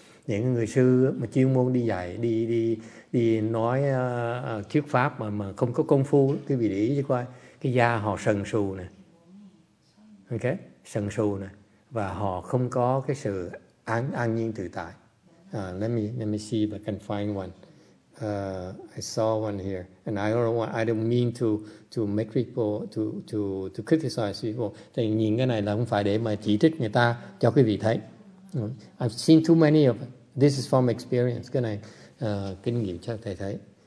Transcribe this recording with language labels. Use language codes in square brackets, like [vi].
[vi] Những người sư mà chuyên môn đi dạy, đi nói thuyết pháp mà không có công phu, quý vị để ý cho coi, cái da họ sần sù nè, okay, sần sù nè, và họ không có cái sự an nhiên tự tại. [en] Let me see if I can find one. I saw one here, and I don't mean to make people to criticize people. [vi] Thì nhìn cái này là không phải để mà chỉ trích người ta cho quý vị thấy. [en] I've seen too many of it. This is from experience. [vi] Cái này kinh nghiệm chắc thầy thấy.